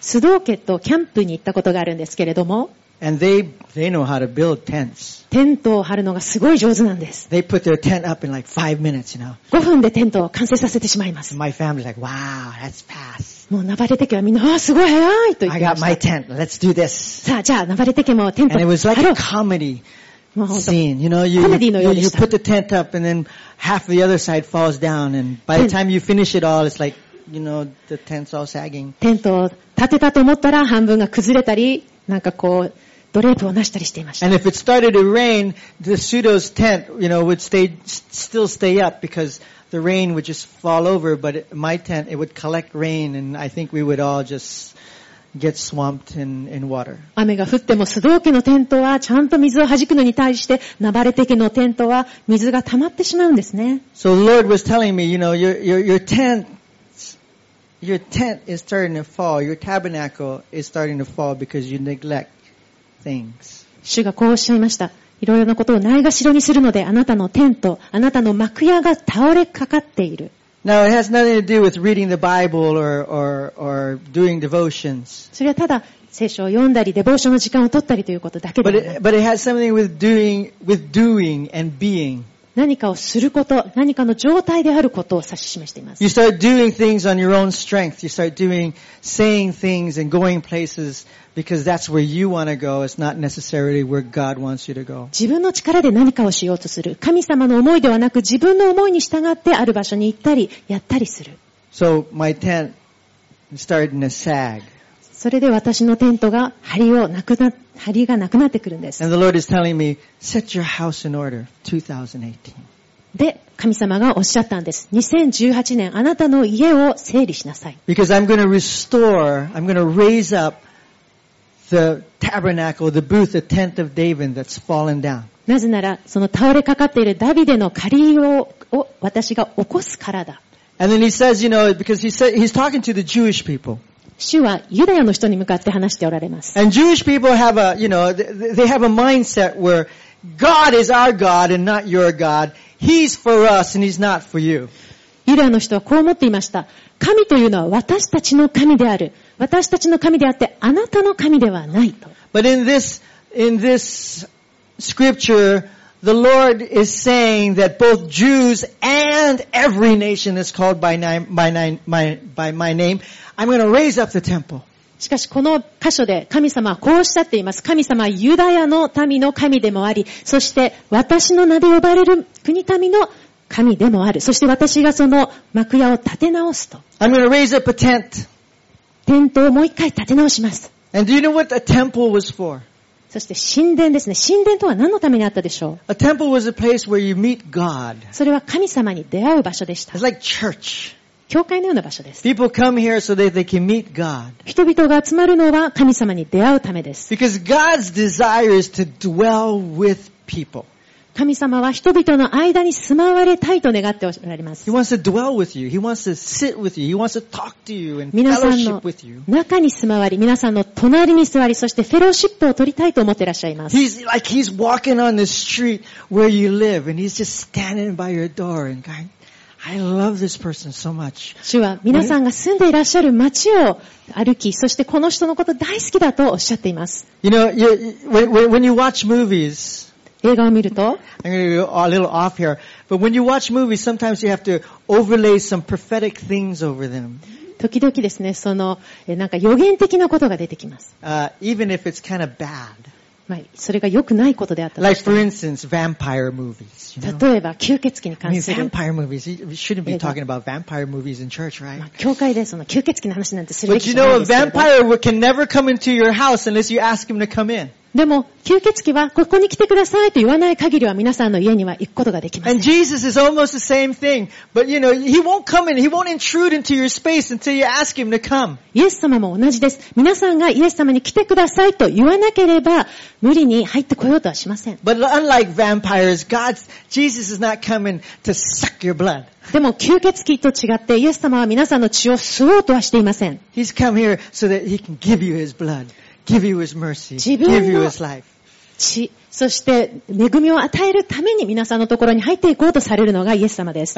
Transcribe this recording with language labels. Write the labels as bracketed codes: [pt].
[ja] 須藤家とキャンプに行ったことがあるんですけれども。 [en] And they know how to build tents. [ja] テントを張るのがすごい上手なんです。 [en] They put their tent up in like 5 minutes, you know. [ja] 5分でテントを完成させてしまいます。 [en] My family's like, wow, that's fast. [ja] もうナバレテ家はみんな、ああ、すごい早いと言ってました。 [en] I got my tent. Let's do this. [ja] さあ、じゃあ、ナバレテ家もテント張ろう。 [en] And it was like a comedy scene. You know, you put the tent up and then half the other side falls down. And by the time you finish it all, it's like, you know, the tent's all sagging. [ja] テントを立てたと思ったら半分が崩れたり、なんかこう、ドレープをなしたりしていました。 [en] And if it started to rain, the pseudo's tent, you know, would still stay up because... The rain would just fall over, but my tent, it would collect rain, and I think we would all just get swamped in water. [ja] 雨が降っても、須藤家のテントはちゃんと水を弾くのに対して、ナバレテ家のテントは水が溜まってしまうんですね。 [en] So the Lord was telling me, you know, your tent is starting to fall, your tabernacle is starting to fall because you neglect things. [ja] 主がこうおっしゃいました。いろいろなことをないがしろにするので、あなたのテント、あなたの幕屋が倒れかかっている。 [en] Now, it has nothing to do with reading the Bible or doing devotions. [ja] それはただ、聖書を読んだり、デボーションの時間を取ったりということだけではない。 [en] But it has something with doing and being. [ja] 何かをすること、何かの状態であることを指し示しています。 [en] You start doing things on your own strength. You start doing, saying things and going places. Because that's where you want to go. It's not necessarily where God wants you to go. [ja] 自分の力で何かをしようとする。神様の思いではなく、自分の思いに従ってある場所に行ったり、やったりする。 [en] So my tent started to sag. [ja] それで私のテントが張りがなくなってくるんです。 [en] And the Lord is telling me, set your house in order, 2018. [ja] で、神様がおっしゃったんです。2018年、あなたの家を整理しなさい。 [en] Because I'm going to restore, I'm going to raise up. The tabernacle, the booth, the tent of David that's fallen down. [ja] なぜなら、その倒れかかっているダビデの仮を私が起こすからだ。 [en] And then he says, you know, because he's talking to the Jewish people. [ja] 主はユダヤの人に向かって話しておられます。 [en] And Jewish people have a, you know, they have a mindset where God is our God and not your God. He's for us and he's not for you. [ja] ユダヤの人はこう思っていました。神というのは私たちの神である。私たちの神であって、あなたの神ではないと。 [en] But in this scripture, the Lord is saying that both Jews and every nation is called by my name. I'm going to raise up the temple. [ja] しかし、この箇所で神様はこうおっしゃっています。神様はユダヤの民の神でもあり、そして私の名で呼ばれる国民の神でもある。そして私がその幕屋を建て直すと。 [en] I'm going to raise up a tent. [ja] テントをもう一回建て直します。 [en] And do you know what a temple was for? [ja] そして神殿ですね。神殿とは何のためにあったでしょう? [en] A temple was a place where you meet God. [ja] それは神様に出会う場所でした。 [en] It's like church. [ja] 教会のような場所です。 [en] People come here so that they can meet God. [ja] 人々が集まるのは神様に出会うためです。 [en] Because God's desire is to dwell with people. [ja] 神様は人々の間に住まわれたいと願っておられます。 [en] He wants to dwell with you. He wants to sit with you. He wants to talk to you and fellowship with you. [ja] 皆さんの中に住まわり、皆さんの隣に座り、そしてフェローシップを取りたいと思ってらっしゃいます。 [en] He's like he's walking on the street where you live, and he's just standing by your door and going, "I love this person so much." [ja] 主は皆さんが住んでいらっしゃる街を歩き、そしてこの人のこと大好きだとおっしゃっています。 [en] You know, when you watch movies. [ja] 映画を見ると、 [en] I'm going to go a little off here, but when you watch movies, sometimes you have to overlay some prophetic things over them. [ja] 時々ですね、そのなんか予言的なことが出てきます。 [en] Even if it's kind of bad. [ja] まあ、それが良くないことであったとしても。 [en] Like for instance, vampire movies. You know? [ja] 例えば吸血鬼に関する。 [en] I mean, vampire movies. You shouldn't be talking about vampire movies in church, right? [ja] 教会でその吸血鬼の話なんてするべきじゃないですけど。 [en] But you know, a vampire can never come into your house unless you ask him to come in. [ja] でも吸血鬼はここに来てくださいと言わない限りは皆さんの家には行くことができません。 [en] And Jesus is almost the same thing, but you know he won't come in, he won't intrude into your space until you ask him to come. [ja] イエス様も同じです。皆さんがイエス様に来てくださいと言わなければ無理に入ってこようとはしません。 [en] But unlike vampires, God's Jesus is not coming to suck your blood. [ja] でも吸血鬼と違ってイエス様は皆さんの血を吸おうとはしていません。 [en] He's come here so that he can give you his blood. Give you his mercy. [ja] 自分の血、そして恵みを与えるために皆さんのところに入っていこうとされるのがイエス様です。